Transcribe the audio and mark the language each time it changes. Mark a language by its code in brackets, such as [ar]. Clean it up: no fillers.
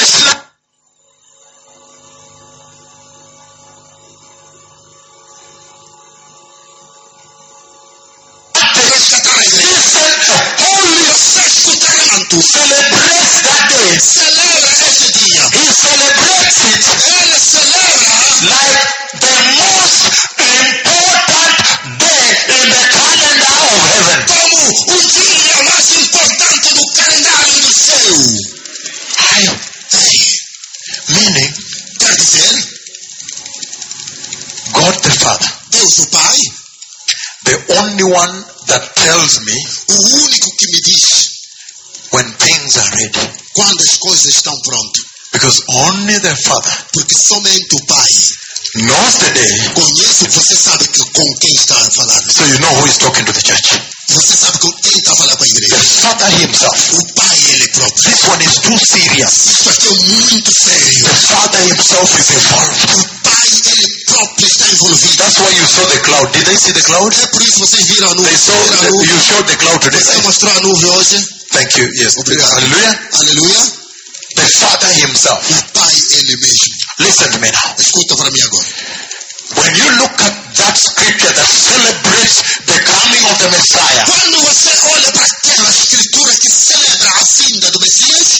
[pt] Celebra esse dia. [en] He celebrates it. [pt] Ele celebra [en] like the most important day in the calendar of heaven. [pt] Como dia mais importante do calendário do céu. [en] I say, meaning, [pt] quer dizer, [en] God the Father, [pt] Deus o Pai, [en] the only one that tells me, [pt] o único que me diz, [en] when things are ready, [pt] quando as coisas estão prontas, [en] because only the Father, [pt] porque somente o Pai, [en] knows the day, [pt] conhece, você sabe que com quem está a falar, [en] so you know who is talking to the church, [pt] você sabe com quem está a falar com a igreja, [en] the Father himself, [pt] o Pai ele próprio, [en] this one is too serious, [pt] isso aqui é muito sério, [en] the Father himself is involved, [pt] o Pai ele próprio está envolvido, [en] that's why you saw the cloud, did they see the cloud, [pt] é por isso vocês viram a nuvem, [en] they saw the, you showed the cloud today, [pt] você mostrou a nuvem hoje. [en] Thank you. Yes. [pt] Obrigado. [en] Hallelujah. [pt] Hallelujah. [en] The Father himself. [pt] O Pai ele mesmo. [en] Listen to me now. [pt] Escuta para mim agora. [en] When you look at that scripture that celebrates the coming of the Messiah, [pt] quando você olha para aquela escritura que celebra a vinda do Messias,